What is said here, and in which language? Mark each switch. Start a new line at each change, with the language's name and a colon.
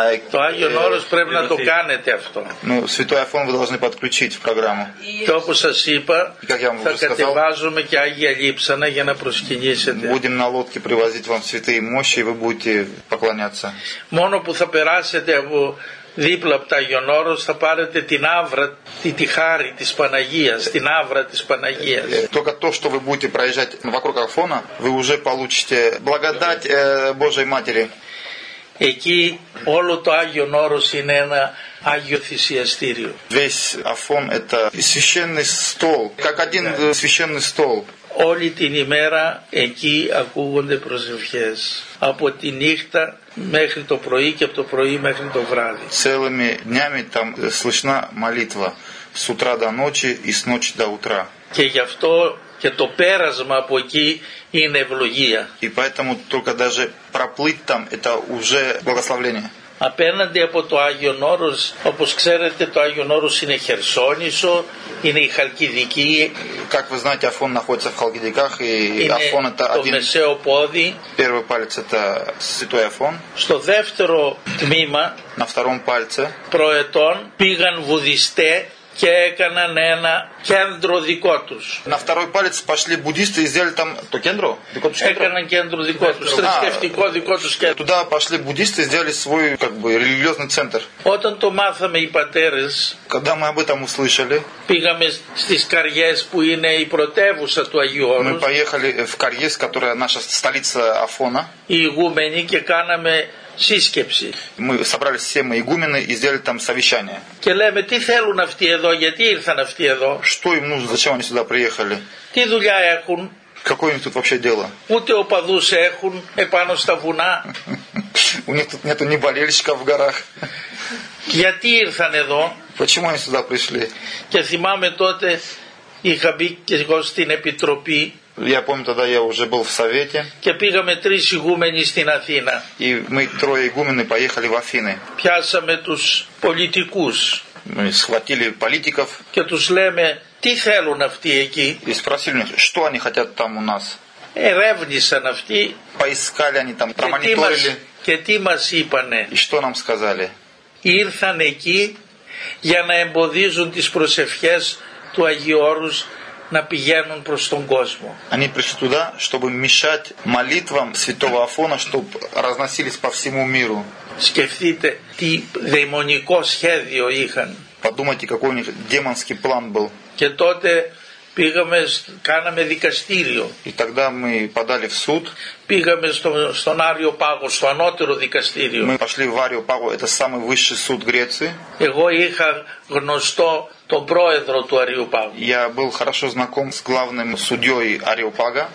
Greek: Το Άγιος Όρος πρέπει να το κάνετε αυτό.
Russian: Ну, Святой Афон вы должны подключить в программу.
Greek: Και όπως σας είπα, θα κατεβάζουμε και Άγια Λείψανα για να προσκυνήσετε.
Russian: Будем на лодке привозить вам святые мощи, и вы будете поклоняться.
Greek: Μόνο που θα περάσετε από δίπλα από το Άγιον Όρος θα πάρετε την άβρα, τη χάρη της Παναγίας, την άβρα της Παναγίας.
Russian: Только то, что вы будете проезжать вокруг Афона, вы уже получите благодать Божией Матери.
Greek: Εκεί όλο το Άγιον Όρος είναι ένα Άγιο θυσιαστήριο.
Russian: Весь Афон – это священный стол, как один священный стол.
Greek: Όλη την ημέρα εκεί ακούγονται προσευχές. Από τη νύχτα μέχρι το πρωί και από το πρωί μέχρι το βράδυ.
Russian: Целыми днями там слышна молитва. С утра до ночи и с ночи до утра.
Greek: Και γι' αυτό και το πέρασμα από εκεί είναι ευλογία.
Russian: И поэтому только даже проплыть там это уже благословение.
Greek: Απέναντι από το Άγιον Όρος, όπως ξέρετε, το Άγιον Όρος είναι Χερσόνησο, είναι η Χαλκιδική.
Russian: Как вы знаете, Афон находится в Халкидиках, и Афон это один.
Greek: Είναι το μεσαίο πόδι.
Russian: Первый палец это Святой Афон.
Greek: Στο δεύτερο τμήμα.
Russian: На втором пальце.
Greek: Προετών πήγαν βουδιστές και έκαναν ένα κέντρο δικό τους.
Russian: На второй палец пошли буддисты и сделали там
Greek: то кендро, дико тус кендро. Έκαναν κέντρο δικό τους, θρησκευτικό δικό τους κέντρο.
Russian: Туда пошли буддисты и сделали свой как бы религиозный центр.
Greek: Όταν το μάθαμε οι πατέρες,
Russian: когда мы об этом услышали,
Greek: πήγαμε στις Καριές που είναι η πρωτεύουσα του Αγίου Όρους.
Russian: Мы поехали в Карьес, которая наша столица Афона.
Greek: Οι игумени και κάναμε σύσκεψη.
Russian: Мы собрали все мои игумены и сделали там совещание.
Greek: Και λέμε τι θέλουν αυτοί εδώ, γιατί ήρθαν αυτοί εδώ.
Russian: Что им нужно, зачем они сюда приехали?
Greek: Τι δουλειά έχουν?
Russian: Какое у них тут вообще дело?
Greek: Ούτε οπαδούς έχουν επάνω στα βουνά.
Russian: У них тут нету ни болельщиков в горах.
Greek: Γιατί ήρθαν εδώ?
Russian: Почему они сюда пришли?
Greek: Και θυμάμαι τότε είχα μπει και εγώ στην Επιτροπή.
Russian: Я помню, тогда я уже был в Совете.
Greek: Και πήγαμε τρεις ηγούμενοι στην Αθήνα.
Russian: И мы трое игумены поехали в Афины.
Greek: Πιάσαμε τους πολιτικούς.
Russian: Мы схватили политиков.
Greek: Και τους λέμε, τι θέλουν αυτοί εκεί.
Russian: И спросили меня, что они хотят там у нас.
Greek: Ερεύνησαν αυτοί.
Russian: Поискали они там, промониторили.
Greek: Και τι μας είπανε.
Russian: И что нам сказали.
Greek: Ήρθαν εκεί για να εμποδίζουν τις προσευχές του Αγίου Όρους να πηγαίνουν προς τον κόσμο.
Russian: Они пришли туда, чтобы мешать молитвам Святого Афона, чтобы разносились по всему миру.
Greek: Σκεφτείτε τι δαιμονικό σχέδιο είχαν.
Russian: Подумайте, какой у них демонский план был.
Greek: Και τότε πήγαμε, κάναμε δικαστήριο.
Russian: И тогда мы подали в суд.
Greek: Πήγαμε στον Άριο Πάγο, στο ανώτερο δικαστήριο.
Russian: Мы пошли в Άριο Πάγο, это самый высший суд Греции.
Greek: Εγώ είχα γνωστό τον πρόεδρο του Άριου Πάγου.
Russian: Я был хорошо знаком с главным судьей Άριο Πάγα.